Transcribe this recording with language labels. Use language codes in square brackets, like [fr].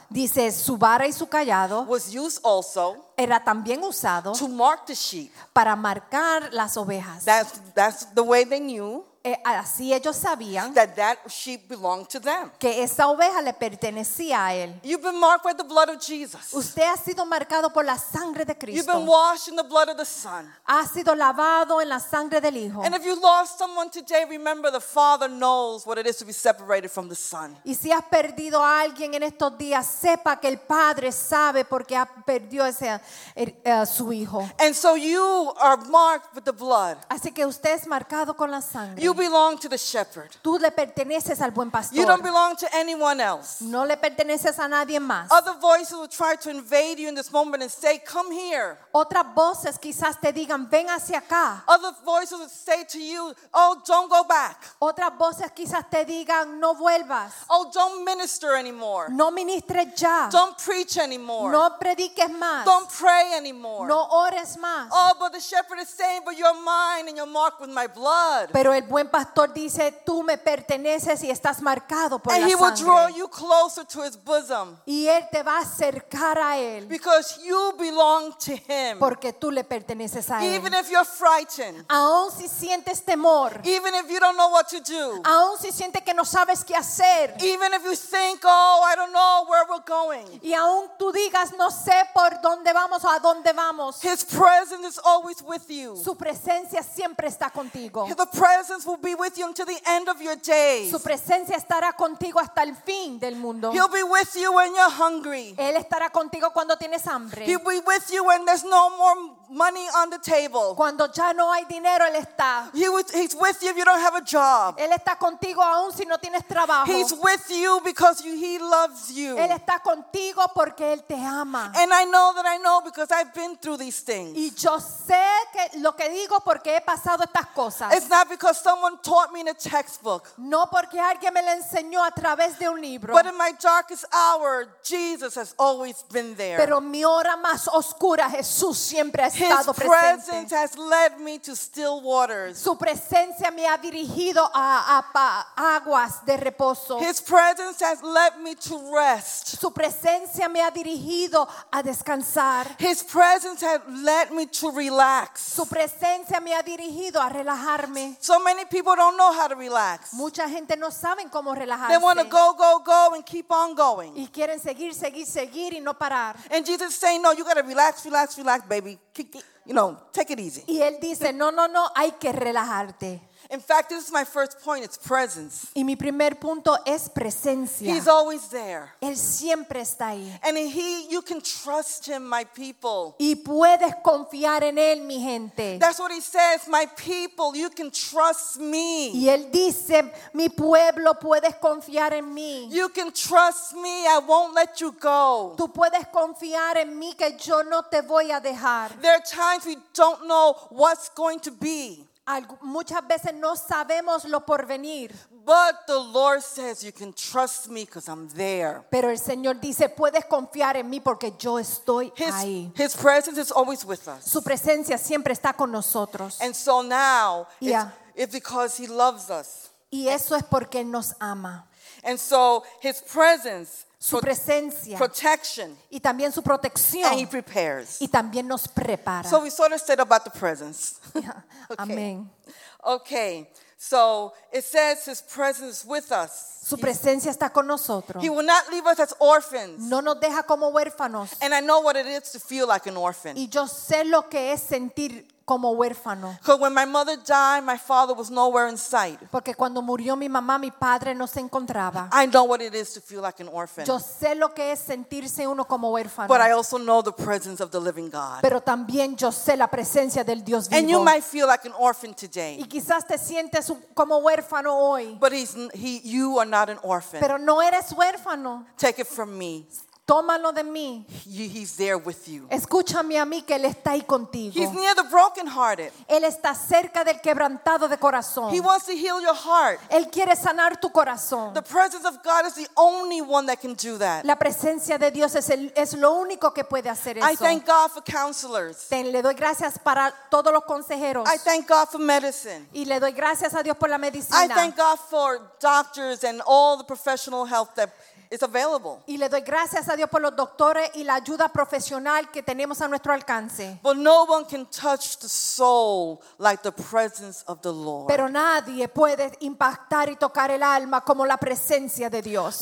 [es] Dice su vara y su callado. [en] Was used also. [es] Era también usado. [en] To mark the sheep. [es] Para marcar las ovejas. [en] That's the way they knew. [es] Así ellos sabían [en] that sheep belonged to them. [es] Que esa oveja le pertenecía a él. [en] You've been marked by the blood of Jesus. [es] Usted ha sido marcado por la sangre de Cristo. [en] You've been washed in the blood of the Son. [es] Ha sido lavado en la sangre del Hijo. [en] And if you lost someone today, remember the Father knows what it is to be separated from the Son. [es] Y si has perdido a alguien en estos días, sepa que el Padre sabe porque ha perdido su Hijo. [en] And so you are marked with the blood. [es] Así que usted es marcado con la sangre. [en] You belong to the shepherd. [es] Tú le perteneces al buen pastor. [en] You don't belong to anyone else. [es] No le perteneces a nadie más. [en] Other voices will try to invade you in this moment and say, "Come here." [es] Otras voces quizás te digan, "Ven hacia acá." [en] Other voices will say to you, "Oh, don't go back." [es] Otras voces quizás te digan, "No vuelvas." [en] "Oh, don't minister anymore." [es] No ministres ya. [en] "Don't preach anymore." [es] No prediques más. [en] "Don't pray anymore." [es] No ores más. [en] "Oh, but the shepherd is saying, 'But you're mine and you're marked with my blood.'" [es] Pero el buen buen pastor dice, tú me perteneces y estás marcado por la sangre. [en] he will draw you closer to his bosom. [es] Y él te va a acercar a él. [en] Because you belong to him. [es] Porque tú le perteneces a él. [en] Even if you're frightened. [es] Aun si sientes temor. [en] Even if you don't know what to do. [es] Aun si sientes que no sabes qué hacer. [en] Even if you think, oh, I don't know where we're going. [es] Y aun tú digas, no sé por dónde vamos o a dónde vamos. [en] His presence is always with you. [es] Su presencia siempre está contigo. [en] The presence will be with you until the end of your days. [es] Su presencia estará contigo hasta el fin del mundo. [en] He'll be with you when you're hungry. [es] Él estará contigo cuando tienes hambre. [en] He'll be with you when there's no more money on the table. [es] Cuando ya no hay dinero, él está. [en] He's with you if you don't have a job. [es] Él está contigo aún si no tienes trabajo. [en] He's with you because he loves you. [es] Él está contigo porque él te ama. [en] And I know that I know because I've been through these things. [es] Y yo sé que lo que digo porque he pasado estas cosas. [en] It's not because someone taught me in a textbook. [es] No porque alguien me lo enseñó a través de un libro. [en] But in my darkest hour, Jesus has always been there. [es] Pero mi hora más oscura, Jesús siempre ha estado presente. [en] presence has led me to still waters. [es] Su presencia me ha dirigido a aguas de reposo. [en] His presence has led me to rest. [es] Su presencia me ha dirigido a descansar. [en] His presence has led me to relax. [es] Su presencia me ha dirigido a relajarme. [en] So many people don't know how to relax. [es] Mucha gente no saben cómo relajarse. [en] They want to go, go, go and keep on going. [es] Y quieren seguir, seguir, seguir y no parar. [en] And Jesus is saying, no, you got to relax, relax, relax, baby. You know, take it easy. [es] Y él dice, no, no, no, hay que relajarte. [en] In fact, this is my first point, it's presence. [es] Y mi primer punto es presencia. [en] He's always there. [es] Él siempre está ahí. [en] And you can trust him, my people. [es] Y puedes confiar en él, mi gente. [en] That's what he says, my people, you can trust me. [es] Y él dice, mi pueblo, puedes confiar en mí. [en] You can trust me, I won't let you go. [es] Tú puedes confiar en mí que yo no te voy a dejar. [en] There are times we don't know what's going to be. [es] Muchas veces no sabemos lo porvenir. [en] But the Lord says you can trust me because I'm there. [es] Pero el Señor dice puedes confiar en mí porque yo estoy ahí. [en] His presence is always with us. [es] Su presencia siempre está con nosotros. [en] And so now it's because he loves us. [es] Y eso es porque él nos ama. [en] And so his presence. [es] Su presencia. [en] Protection. [es] Y también su protección. [en] And he prepares. [es] Y también nos prepara. [en] So we sort of said about the presence. Okay. Amen. Okay. So it says his presence is with us. [es] Su presencia está con nosotros. [en] He will not leave us as orphans. [es] No nos deja como huérfanos. [en] And I know what it is to feel like an orphan. [es] Y yo sé lo que es sentir como huérfano. [en] Because when my mother died, my father was nowhere in sight. [es] Porque cuando murió mi mamá, mi padre no se encontraba. [en] I know what it is to feel like an orphan. [es] Yo sé lo que es sentirse uno como huérfano. [en] But I also know the presence of the living God. [es] Pero también yo sé la presencia del Dios vivo. [en] And you might feel like an orphan today. [es] Y quizás te sientes como huérfano hoy. [en] But you are not an orphan. [es] Pero no eres huérfano. [en] Take it from me. [es] Tómalo de mí. [en] He's there with you. [es] Escúchame a mí que él está ahí contigo. [en] He's near the brokenhearted. [es] Él está cerca del quebrantado de corazón. [en] He wants to heal your heart. [es] Él quiere sanar tu corazón. [en] The presence of God is the only one that can do that. [es] La presencia de Dios es lo único que puede hacer eso. [en] I thank God for counselors. [es] Le doy gracias para todos los consejeros. [en] I thank God for medicine. [es] Y le doy gracias a Dios por la medicina. [en] I thank God for doctors and all the professional help that it's available. [es] Y le doy gracias a Dios por los doctores y la ayuda profesional que tenemos a nuestro alcance. [en] But no one can touch the soul like the presence of the Lord. [es] Pero nadie puede impactar y tocar el alma como la presencia de Dios.